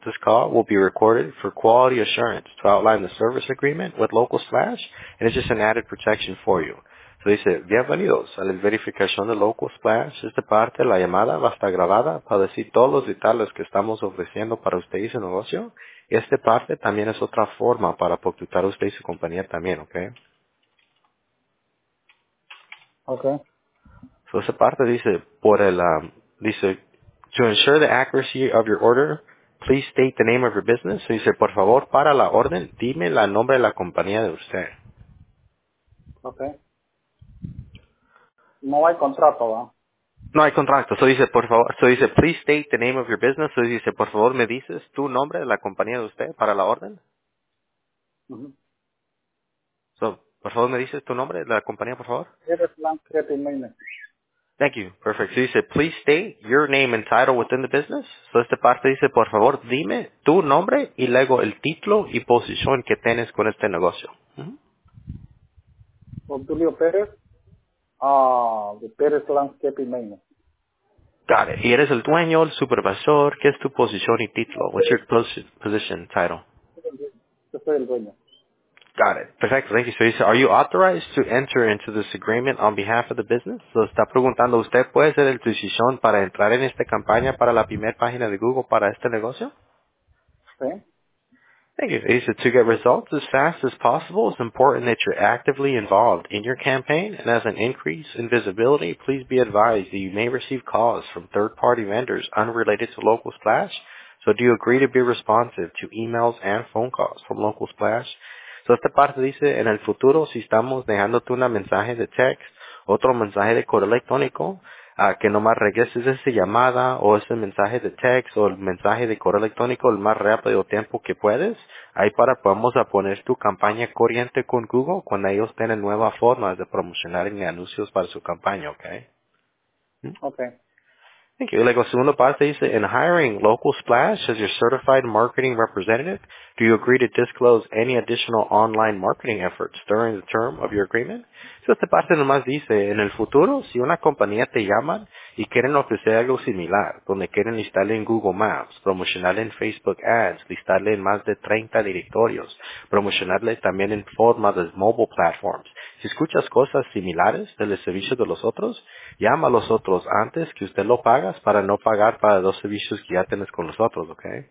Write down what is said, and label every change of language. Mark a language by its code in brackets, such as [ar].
[en] This call will be recorded for quality assurance to outline the service agreement with Local/, and it's just an added protection for you. [es] So, dice, bienvenidos a la verificación de Local/. Esta parte, la llamada, va a estar grabada para decir todos los detalles que estamos ofreciendo para usted y su negocio. Y esta parte también es otra forma para contactar a usted y su compañía también, ¿ok? [en] Okay. [es] So esa parte dice, [en] to ensure the accuracy of your order, please state the name of your business. [es] So dice, por favor, para la orden, dime el nombre de la compañía de usted. Okay. No hay contrato, ¿verdad? No hay contrato. [en] So [es] dice, por favor, [en] please state the name of your business. [es] So dice, por favor, me dices tu nombre de la compañía de usted para la orden. Mm-hmm. So, por favor, me dices tu nombre de la compañía, por favor. Eres Lancretin Maynard. [en] Thank you. Perfect. So dice, please state your name and title within the business. [es] So esta parte dice, por favor, dime tu nombre y luego el título y posición que tienes con este negocio. Mm-hmm. Obdulio Pérez, de Pérez Landscaping Maintenance. [en] Got it. [es] ¿Y eres el dueño, el supervisor? ¿Qué es tu posición y título? [en] What's your position title? [es] Yo soy el dueño. [en] Got it. Perfecto. Thank you. So he said, are you authorized to enter into this agreement on behalf of the business? [es] So está preguntando, ¿usted puede ser el decisión para entrar en esta campaña para la primera página de Google para este negocio? Sí. [en] Thank you. He said, to get results as fast as possible, it's important that you're actively involved in your campaign. And as an increase in visibility, please be advised that you may receive calls from third-party vendors unrelated to Local Splash. So do you agree to be responsive to emails and phone calls from Local Splash? [es] So esta parte dice, en el futuro, si estamos dejándote un mensaje de text, otro mensaje de correo electrónico, que nomás regreses esa llamada o ese mensaje de text o el mensaje de correo electrónico el más rápido tiempo que puedes, ahí para podemos a poner tu campaña corriente con Google cuando ellos tienen nuevas formas de promocionar en anuncios para su campaña, ¿ok? [en] Okay. Thank you. [es] Luego, segunda parte dice, [en] in hiring Local Splash as your certified marketing representative, do you agree to disclose any additional online marketing efforts during the term of your agreement? [es] So, esta parte nomás dice, en el futuro, si una compañía te llama y quieren ofrecer algo similar, donde quieren listarle en Google Maps, promocionarle en Facebook Ads, listarle en más de 30 directorios, promocionarle también en forma de mobile platforms. Si escuchas cosas similares del servicio de los otros, llama a los otros antes que usted lo pagas para no pagar para dos servicios que ya tienes con los otros, ¿ok?